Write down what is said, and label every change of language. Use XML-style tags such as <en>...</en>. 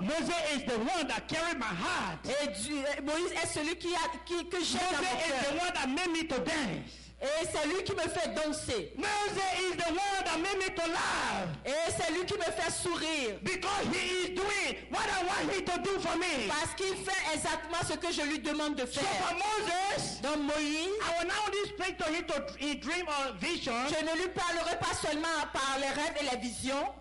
<en>Moses is the one that carried my heart.</en> <fr>Et Moïse est celui que j'ai dans mon cœur.</fr> <en>Moses is the one that made me to dance.</en> <fr>Et c'est lui qui me fait danser.</fr> <en>Moses is the one that made me to laugh.</en> <fr>Et c'est lui qui me fait sourire.</fr> <en>Because he is doing what I want him to do for me.</en> <fr>Parce qu'il fait exactement ce que je lui demande de faire.</fr> <en>So for Moses,</en> <fr>donc Moïse,</fr> <en>I will not only speak to him in dream or vision.</en> <fr>Je ne lui parlerai pas seulement par les rêves et les visions.</fr>